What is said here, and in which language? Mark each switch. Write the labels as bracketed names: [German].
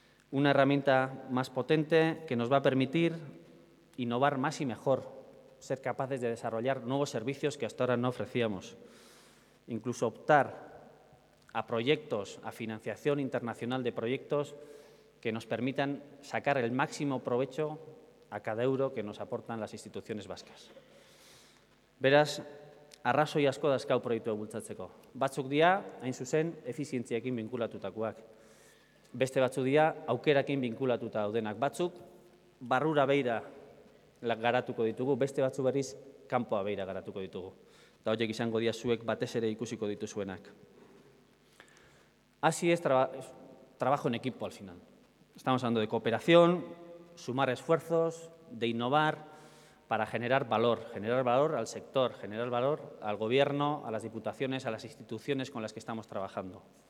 [Spanish] Una herramienta más potente que nos va a permitir innovar más y mejor, ser capaces de desarrollar nuevos servicios que hasta ahora no ofrecíamos, incluso optar a proyectos, a financiación internacional de proyectos que nos permitan sacar el máximo provecho a cada euro que nos aportan las instituciones vascas. [Basque] Beraz, arrazoi asko dauzkagu proiektua bultzatzeko. Batzuk dira, hain zuzen, efizientziekin binkulatutakoak. Beste batzuk dira, aukerakin binkulatuta daudenak. Batzuk, barrura beira garatuko ditugu, beste batzu berriz, kanpoa beira garatuko ditugu. Eta horiek izango dira zuek batez ere ikusiko dituzuenak. [Spanish] Así es trabajo en equipo al final. Estamos hablando de cooperación, sumar esfuerzos, de innovar para generar valor al sector, generar valor al gobierno, a las diputaciones, a las instituciones con las que estamos trabajando.